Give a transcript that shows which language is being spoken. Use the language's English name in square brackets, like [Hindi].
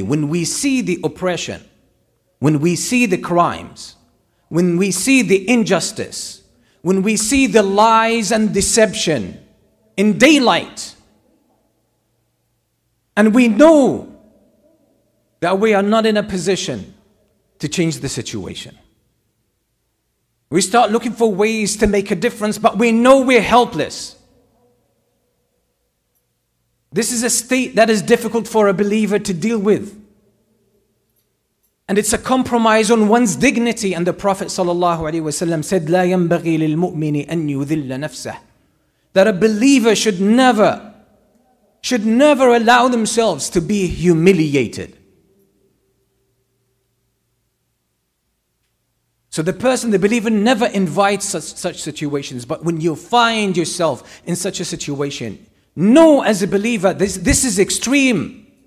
[English] When we see the oppression, when we see the crimes, when we see the injustice, when we see the lies and deception in daylight, and we know that we are not in a position to change the situation, we start looking for ways to make a difference, but we know we're helpless. This is a state that is difficult for a believer to deal with. And it's a compromise on one's dignity. And the Prophet ﷺ said, [Arabic] لا ينبغي للمؤمن أن يذل نفسه. [English] That a believer should never allow themselves to be humiliated. So the person, the believer, never invites such situations. But when you find yourself in such a situation, know as a believer, this is extreme.